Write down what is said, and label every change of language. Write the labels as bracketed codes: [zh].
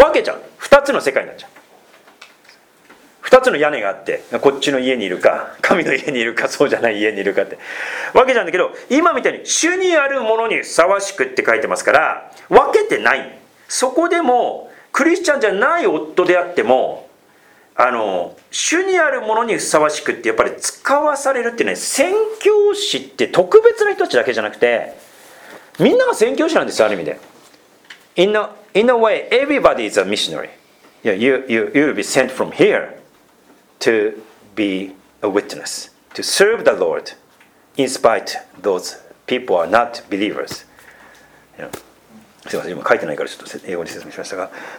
[ja] 分けちゃう、2つの世界になっちゃう。2つの屋根があって、こっちの家にいるか神の家にいるか、そうじゃない家にいるかって分けちゃうんだけど、今みたいに主にあるものにふさわしくって書いてますから、分けてない。そこでもクリスチャンじゃない夫であっても、主にあるものにふさわしくって、やっぱり使わされるってね、宣教師って特別な人たちだけじゃなくて、みんなが宣教師なんですよ、ある意味で。 [en] In a way, everybody is a missionary. Yeah, you'll be sent from here to be a witness, to serve the Lord, in spite those people are not believers. [ja] すいません、今書いてないからちょっと英語で説明しましたが。